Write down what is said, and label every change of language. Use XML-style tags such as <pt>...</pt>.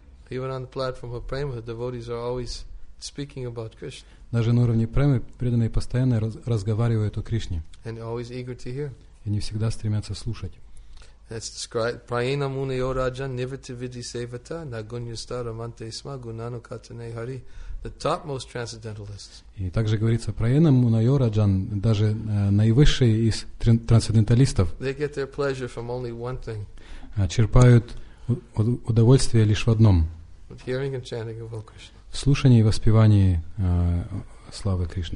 <en>Even on the platform of prema, the devotees are always speaking about Krishna.</en> <ru>Даже на уровне премы преданные постоянно разговаривают о Кришне.</ru> <en>And always eager to hear.</en> <ru>И они всегда стремятся слушать.</ru> <en>It's described</en> <sa>prayena muni o raja nivrti vidhi sevata nagunya stara mante sma gunano katane hari,</sa> <en>the topmost transcendentalists.</en> <ru>И также говорится</ru> <sa>prayena muni o raja,</sa> <ru>даже наивысшие из трансценденталистов.</ru> <en>They get their pleasure from only one thing.</en> <ru>Черпают удовольствие лишь в одном.</ru> <en>Hearing and chanting of Krishna.</en> <ru>В слушании и воспевании славы Кришны.</ru>